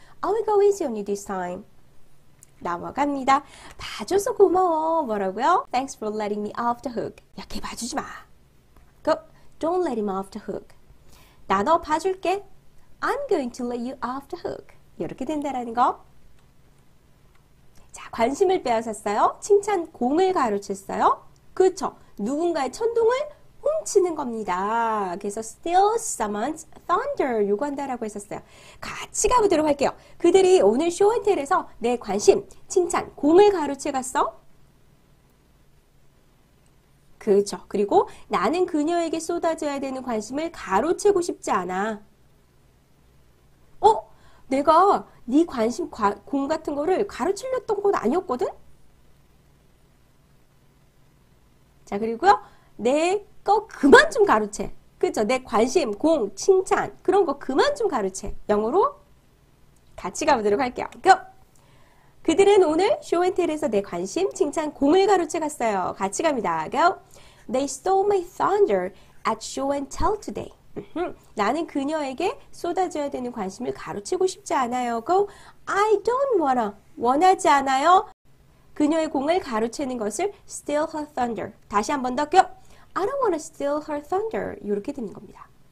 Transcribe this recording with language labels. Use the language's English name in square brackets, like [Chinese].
[English] I will go easy on you this time. [Korean] 넘어갑니다. 봐줘서 고마워. 뭐라고요? [English] Thanks for letting me off the hook. [Korean] 야, 걔 봐주지 마. [English] Go. Don't let him off the hook. [Korean] 나너 봐줄게. [English] I'm going to let you off the hook. [Korean] 이렇게 된다라는 거. 자, 관심을 빼앗았어요. 칭찬, 공을 가르쳤어요. 그쵸? 누군가의 천둥을 훔치는 겁니다. 그래서 steal someone's thunder 요구한다라고 했었어요. 같이 가보도록 할게요. 그들이 오늘 쇼앤텔에서 내 관심, 칭찬, 공을 가로채갔어. 그렇죠. 그리고 나는 그녀에게 쏟아져야 되는 관심을 가로채고 싶지 않아. 내가 네 관심 공 같은 거를 가로채렸던 건 아니었거든? 자, 그리고요. 내거 그만 좀 가로채. 그렇죠. 내 관심, 공, 칭찬 그런 거 그만 좀 가로채. 영어로 같이 가보도록 할게요. [English] Go! [Korean] 그들은 오늘 쇼앤텔에서 내 관심, 칭찬, 공을 가로채갔어요. 같이 갑니다. Go! [English] They stole my thunder at show and tell today. [Korean] 나는 그녀에게 쏟아져야 되는 관심을 가로채고 싶지 않아요. [English] Go! I don't wanna. [Korean] 원하지 않아요. 그녀의 공을 가로채는 것을 steal her thunder. 다시 한번 더. Go! [English] I don't wanna steal her thunder. [Korean] 이렇게 되는 겁니다.